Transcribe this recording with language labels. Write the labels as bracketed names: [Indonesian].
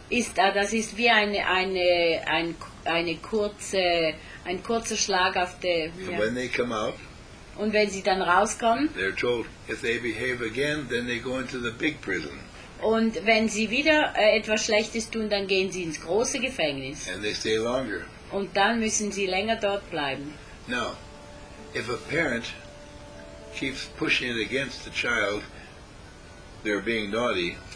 [German] Das ist wie ein kurzer Schlag auf der. [English] Yeah. When they come out. [German] Und wenn sie dann rauskommen. [English] They're told if they behave again, then they go into the big prison. [German] Und wenn sie wieder etwas Schlechtes tun, dann gehen sie ins große Gefängnis. [English] And they stay longer. [German] Und dann müssen sie länger dort bleiben. [English] Now, if a parent keeps pushing it against the child, they're being naughty.